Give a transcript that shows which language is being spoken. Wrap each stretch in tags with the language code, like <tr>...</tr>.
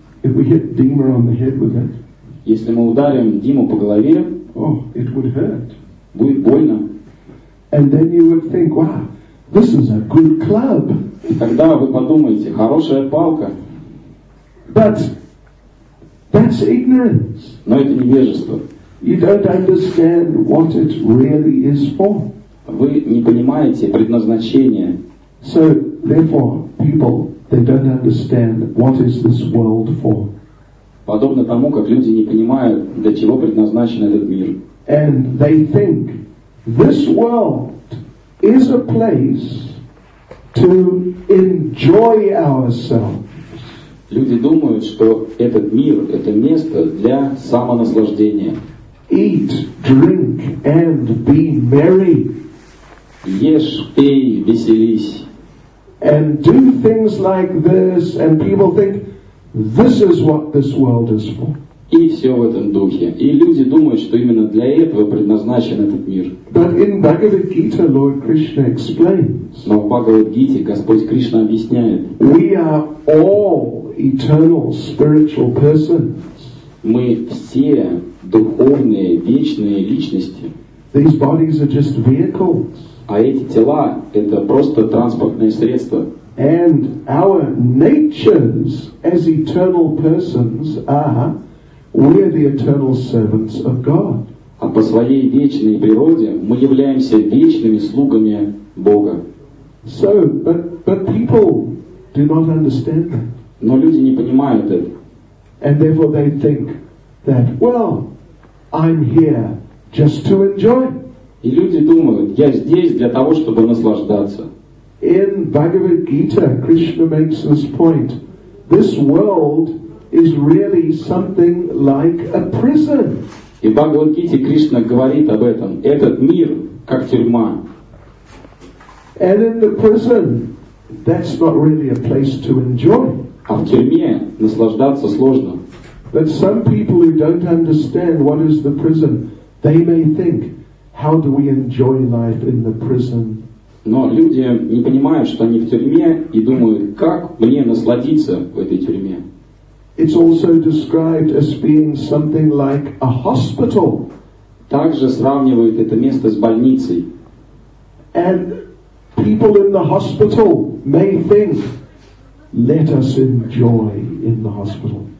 <en>If we hit Dima on the head with it.</en> <ru>Если мы ударим Диму по голове,</ru> <en>oh, it would hurt.</en> <ru>Будет больно.</ru> <en>And then you would think, wow, this is a good club.</en> <ru>И тогда вы подумаете, хорошая палка.</ru> <en>But that's ignorance.</en> <ru>Но это невежество.</ru> <en>You don't understand what it really is for.</en> <ru>Вы не понимаете предназначение.</ru> <en>So, therefore, people, they don't understand what is this world for.</en> <ru>Подобно тому, как люди не понимают, для чего предназначен этот мир.</ru> <en>And they think this world is a place to enjoy ourselves.</en> <ru>Люди думают, что этот мир — это место для самонаслаждения.</ru> <en>Eat, drink, and be merry.</en> <ru>Ешь, пей, веселись.</ru> <en>And do things like this, and people think this is what this world is for.</en> <ru>И все в этом духе. И люди думают, что именно для этого предназначен этот мир.</ru> <en>But in Bhagavad Gita, Lord Krishna explains.</en> <ru>Но в Бхагавад Гите Господь Кришна объясняет.</ru> <en>We are all eternal spiritual persons.</en> <ru>Мы все духовные вечные личности.</ru> <en>These bodies are just vehicles.</en> <ru>А эти тела — это просто транспортные средства.</ru> <en>And our natures as eternal persons are, we are the eternal servants of God.</en> <ru>А по своей вечной природе мы являемся вечными слугами Бога.</ru> <en>So, but people do not understand that.</en> <ru>Но люди не понимают это.</ru> <en>And therefore they think that, well, I'm here just to enjoy.</en> <ru>И люди думают, я здесь для того, чтобы наслаждаться.</ru> <en>In Bhagavad Gita, Krishna makes this point. This world is really something like a prison.</en> <ru>И в Бхагавад Гите Кришна говорит об этом. Этот мир как тюрьма.</ru> <en>And in the prison, that's not really a place to enjoy.</en> <ru>А в тюрьме наслаждаться сложно.</ru> <en>But some people who don't understand what is the prison, they may think, how do we enjoy life in the prison?</en> <ru>Но люди не понимают, что они в тюрьме, и думают, как мне насладиться в этой тюрьме.</ru> <en>It's also described as being something like a hospital.</en> <ru>Также сравнивают это место с больницей.</ru> <en>And people in the hospital may think, let us enjoy in the hospital.</en>